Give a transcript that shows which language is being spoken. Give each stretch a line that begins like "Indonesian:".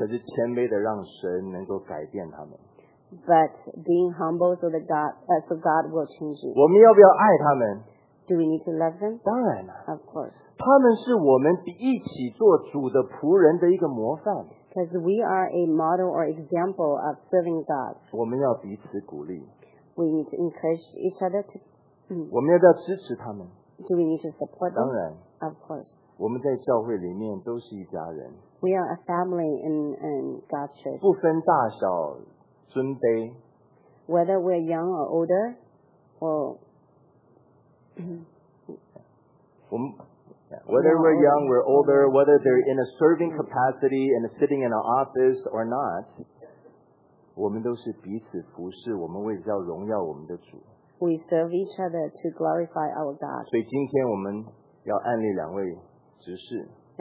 Chinese: 可是谦卑的让神能够改变他们。
English: But being humble so that God, so God will change you.
Chinese: 我们要不要爱他们
English: ？Do we need to love them?
Chinese: 当然了
English: ，of course.
Chinese: 他们是我们一起做主的仆人的一个模范。
English: Because we are a model or example of serving God.
Chinese: 我们要彼此鼓励。
English: We need to encourage each other to.
Chinese: 我们要支持他们。
English: Do we need to support them?
Chinese: 当然
English: ，of course.
Chinese: 我们在教会里面都是一家人。
English: We are a family in God's church.
Chinese: 不分大小。尊卑
English: Whether we're young or older, or whether we're young, we're older, whether they're in a serving capacity and sitting in an office or not,
Chinese: 我们都是彼此服侍，我们为了要荣耀我们的主。
English: We serve each other to glorify our God.
Chinese: 所以今天我们要案例两位执事。